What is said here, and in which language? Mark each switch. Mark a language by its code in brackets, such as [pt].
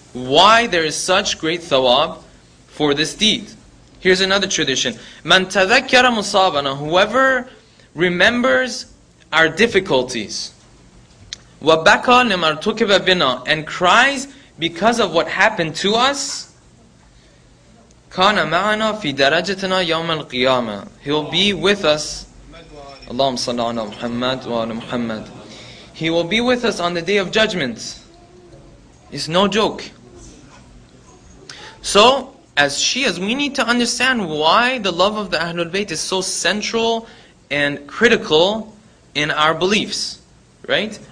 [en] Why there is such great thawab for this deed. Here's another tradition. [ar] مَنْ تَذَكَّرَ مُصَابَنَا, [en] whoever remembers our difficulties. [ar] وَبَكَى لِمَا ارْتُكِبَ بِنَا, [en] and cries because of what happened to us. [ar] كَانَ مَعَنَا فِي دَرَجَتِنَا يَوْمَ الْقِيَامَةِ, [en] He'll be with us. [ar] Allahumma salli ala Muhammad wa ala Muhammad. [en] He will be with us on the Day of Judgment. It's no joke. So, as Shias, we need to understand why the love of the Ahlul Bayt is so central and critical in our beliefs. Right?